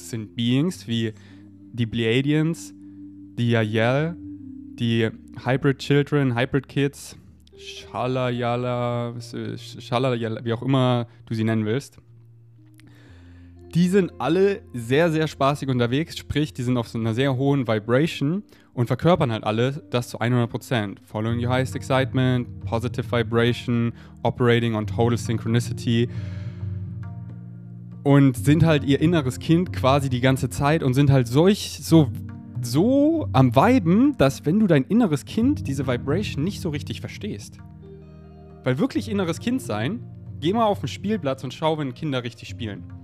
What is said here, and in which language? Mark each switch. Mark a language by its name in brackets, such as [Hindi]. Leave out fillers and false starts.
[German] Es sind Beings wie die Pleiadians, die Yael, die Hybrid Children, Hybrid Kids, Shalayala, wie auch immer du sie nennen willst. Die sind alle sehr, sehr spaßig unterwegs, sprich, die sind auf so einer sehr hohen Vibration und verkörpern halt alle das zu 100%. [English] Following your highest excitement, positive vibration, operating on total synchronicity. [German] Und sind halt ihr inneres Kind quasi die ganze Zeit und sind halt so am Viben, dass wenn du dein inneres Kind, diese Vibration, nicht so richtig verstehst. Weil wirklich inneres Kind sein, geh mal auf den Spielplatz und schau, wenn Kinder richtig spielen.